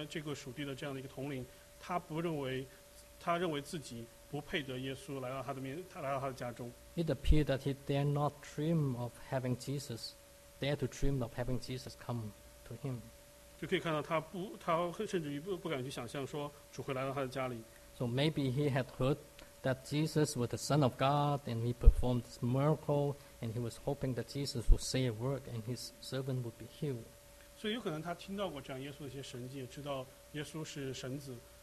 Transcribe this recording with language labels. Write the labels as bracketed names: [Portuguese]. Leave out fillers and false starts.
[Chinese] 但是作为这个百夫长呢，他虽然说统领一百个军人，然后并且是这个属地的这样的一个统领，他不认为。 [English] It appeared that he dare not dream of having Jesus, dare to dream of having Jesus come to him. [Chinese] 就可以看到他甚至于不敢去想象说主会来到他的家里。 [English] So maybe he had heard that Jesus was the Son of God and he performed this miracle and he was hoping that Jesus would say a word and his servant would be healed. [Chinese] 所以有可能他听到过这样耶稣的一些神迹，知道耶稣是神子。